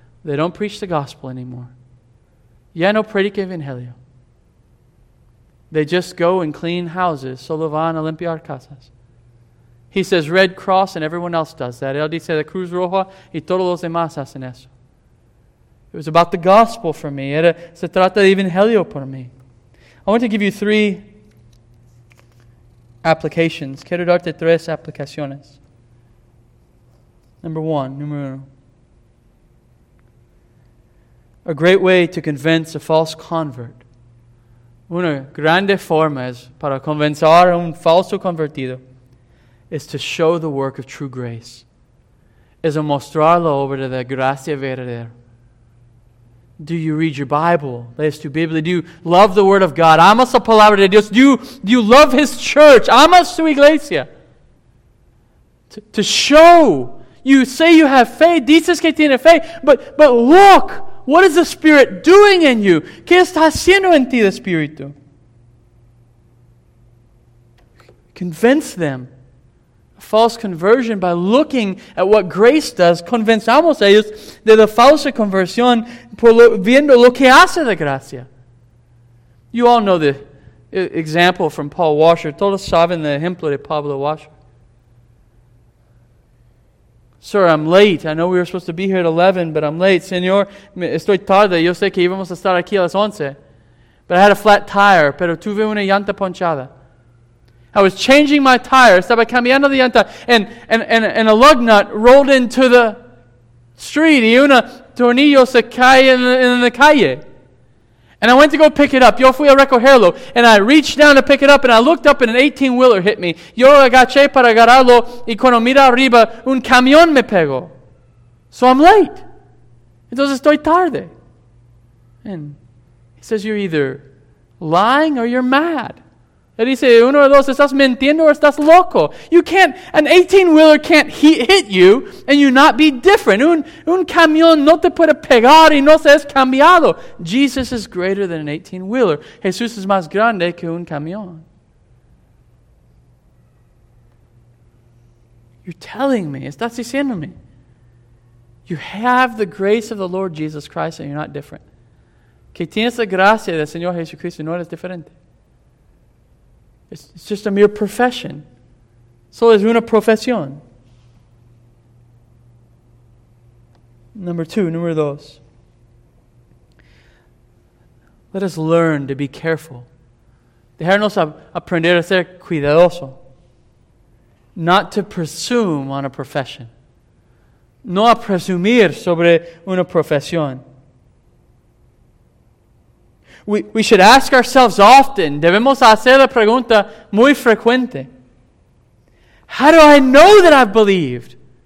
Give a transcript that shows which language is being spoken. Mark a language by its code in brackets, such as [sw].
[en] They don't preach the gospel anymore. [es] Ya no predica evangelio. [en] They just go and clean houses. [es] Solo van a limpiar casas. [en] He says Red Cross and everyone else does that. [es] Él dice la Cruz Roja y todos los demás hacen eso. [en] It was about the gospel for me. [es] Era, se trata de evangelio por mí. [en] I want to give you three applications. [es] Quiero darte tres aplicaciones. Número uno. [en] A great way to convince a false convert. [es] Una grande forma es para convencer a un falso convertido es [en] to show the work of true grace. [es] Es a mostrar la obra de la gracia verdadera. [en] Do you read your Bible? [es] Lees tu Biblia? [en] Do you love the Word of God? [es] Amas la palabra de Dios? [en] Do you love His church? [es] Amas su iglesia? [en] To show. You say you have faith. [es] Dices que tienes fe. [en] But look. What is the Spirit doing in you? [es] ¿Qué está haciendo en ti el Espíritu? [en] Convince them false conversion by looking at what grace does, [es] convenzamos a ellos de la falsa conversión por lo, viendo lo que hace la gracia. [en] You all know the example from Paul Washer. [es] Todos saben el ejemplo de Pablo Washer. [en] Sir, I'm late. I know we were supposed to be here at 11, but I'm late. [es] Señor, estoy tarde. Yo sé que íbamos a estar aquí a las 11. [en] But I had a flat tire, [es] pero tuve una llanta ponchada. [en] I was changing my tire, [es] estaba cambiando la llanta, [en] and a lug nut rolled into the street, [es] y una tornillo se cae en la calle. [en] And I went to go pick it up. [es] Yo fui a recogerlo. [en] And I reached down to pick it up, and I looked up, and an 18-wheeler hit me. [es] Yo agaché para agarrarlo, y cuando mira arriba, un camión me pegó. [en] So I'm late. [es] Entonces estoy tarde. [en] And he says, you're either lying or you're mad. And he says, [es] uno de dos, estás mintiendo o estás loco. [en] You can't, an 18-wheeler can't hit you and you not be different. [es] Un camión no te puede pegar y no seas cambiado. [en] Jesus is greater than an 18-wheeler. [es] Jesús es más grande que un camión. [en] You're telling me, [es] estás diciendo me, [en] you have the grace of the Lord Jesus Christ and you're not different. [es] Que tienes la gracia del Señor Jesucristo y no eres diferente. [en] It's just a mere profession. [es] Solo es una profesión. Número dos. [en] Let us learn to be careful. [es] Dejarnos aprender a ser cuidadoso. [en] Not to presume on a profession. [es] No a presumir sobre una profesión. [en] We should ask ourselves often, [es] debemos hacer la pregunta muy frecuente. [en] How do I know that I've believed?